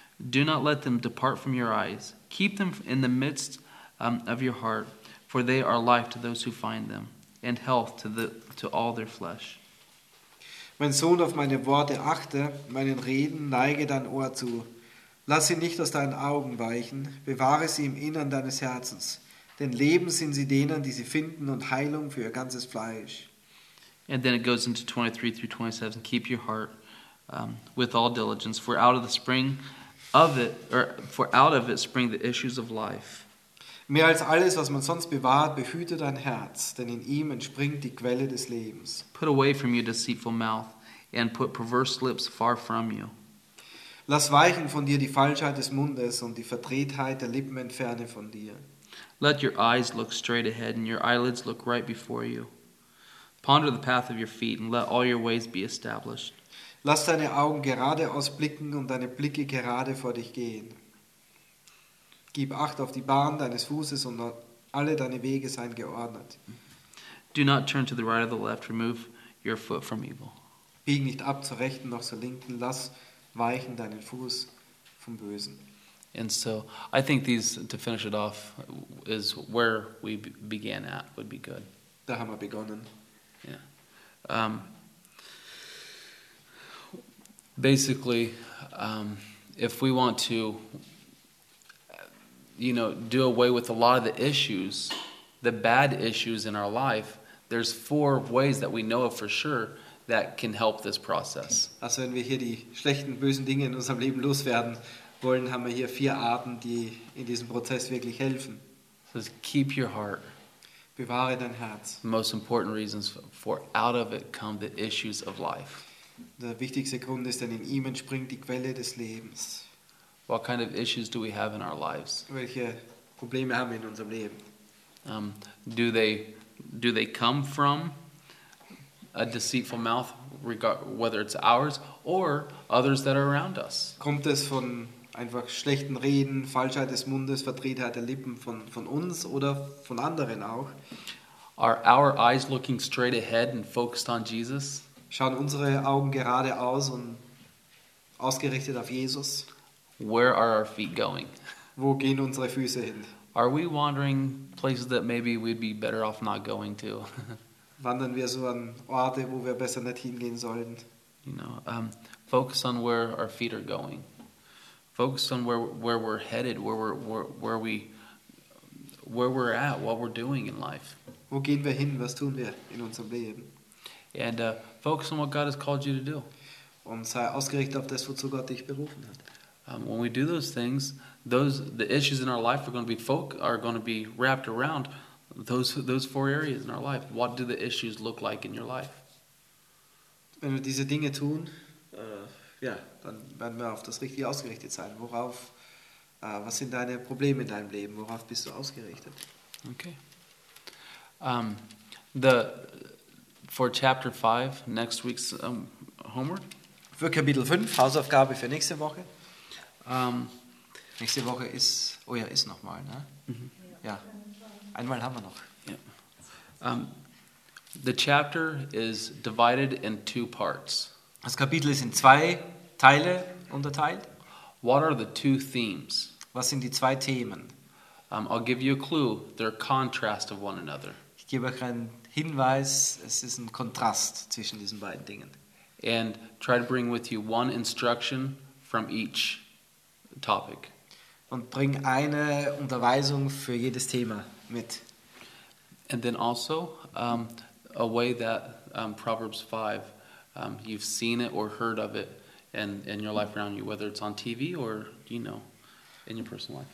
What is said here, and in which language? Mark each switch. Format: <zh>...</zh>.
<en>Do not let them depart from your eyes. Keep them in the midst of your heart, for they are life to those who find them, and health to all their flesh.</en> <de>Mein Sohn, auf meine Worte achte, meinen Reden neige dein Ohr zu. Lass sie nicht aus deinen Augen weichen, bewahre sie im Innern deines Herzens. Denn Leben sind sie denen, die sie finden, und Heilung für ihr ganzes Fleisch.</de> <en>And then it goes into 23 through 27. Keep your heart with all diligence, for out of the spring of it, or for out of it spring the issues of life.</en> <de>Mehr als alles, was man sonst bewahrt, behüte dein Herz, denn in ihm entspringt die Quelle des Lebens.</de> <en>Put away from you deceitful mouth, and put perverse lips far from you.</en> <de>Lass weichen von dir die Falschheit des Mundes, und die Verdrehtheit der Lippen entferne von dir.</de> <en>Let your eyes look straight ahead, and your eyelids look right before you. Ponder the path of your feet, and let all your ways be established.</en> <de>Lass deine Augen geradeaus blicken, und deine Blicke gerade vor dich gehen. Gib Acht auf die Bahn deines Fußes, und alle deine Wege seien geordnet.</de> <en>Do not turn to the right or the left. Remove your foot from evil.</en> <de>Bieg nicht ab zur rechten noch zur linken. Lass weichen deinen Fuß vom Bösen.</de> <en>And so, I think these, to finish it off, is where we began at would be good.</en> <de>Da haben wir begonnen.</de> <en>Yeah. Basically, if we want to, you know, do away with a lot of the issues, the bad issues in our life, there's four ways that we know of for sure that can help this process.</en> <de>Also, wenn wir hier die schlechten, bösen Dinge in unserem Leben loswerden wollen, haben wir hier vier Arten, die in diesem Prozess wirklich helfen.</de> <en>So keep your heart.</en> <de>Bewahre dein Herz.</de> <en>Most important reasons for out of it come the issues of life.</en> <de>Der wichtigste Grund ist, denn in ihm entspringt die Quelle des Lebens.</de> <en>What kind of issues do we have in our lives?</en> <de>Welche Probleme haben wir in unserem Leben?</de> <en>Do they come from a deceitful mouth, whether it's ours or others that are around us?</en> <de>Kommt es von einfach schlechten Reden, Falschheit des Mundes, Verdrehtheit der Lippen von uns oder von anderen auch?</de> <en>Are our eyes looking straight ahead and focused on Jesus?</en> <de>Schauen unsere Augen geradeaus und ausgerichtet auf Jesus?</de> <en>Where are our feet going?</en> <de>Wo gehen unsere Füße hin?</de> <en>Are we wandering places that maybe we'd be better off not going to?</en> <de>Wandern wir so an Orte, wo wir besser nicht hingehen sollten?</de> <en>You know, focus on where our feet are going. Focus on where we're headed, where we're at, what we're doing in life.</en> <de>Wo gehen wir hin? Was tun wir in unserem Leben?</de> <en>And focus on what God has called you to do.</en> <de>Und sei ausgerichtet auf das, wozu Gott dich berufen hat.</de> <en>When we do those things, the issues in our life are going to be wrapped around those four areas in our life. What do the issues look like in your life?</en> <de>Wenn wir diese Dinge tun, dann werden wir auf das Richtige ausgerichtet sein. Worauf? Was sind deine Probleme in deinem Leben? Worauf bist du ausgerichtet?</de> <en>Okay. For chapter 5, next week's homework.</en> <de>Für Kapitel 5, Hausaufgabe für nächste Woche. Nächste Woche ist nochmal, ne? Mm-hmm. Ja, einmal haben wir noch.</de> <en>Yeah. The chapter is divided in two parts.</en> <de>Das Kapitel ist in zwei Teile unterteilt.</de> <en>What are the two themes?</en> <de>Was sind die zwei Themen?</de> <en>I'll give you a clue. They're a contrast of one another.</en> <de>Ich gebe euch einen Hinweis. Es ist ein Kontrast zwischen diesen beiden Dingen.</de> <en>And try to bring with you one instruction from each topic.</en> <de>Und bring eine Unterweisung für jedes Thema mit.</de> <en>And then also a way that Proverbs 5, you've seen it or heard of it in your life around you, whether it's on TV or, you know, in your personal life.</en>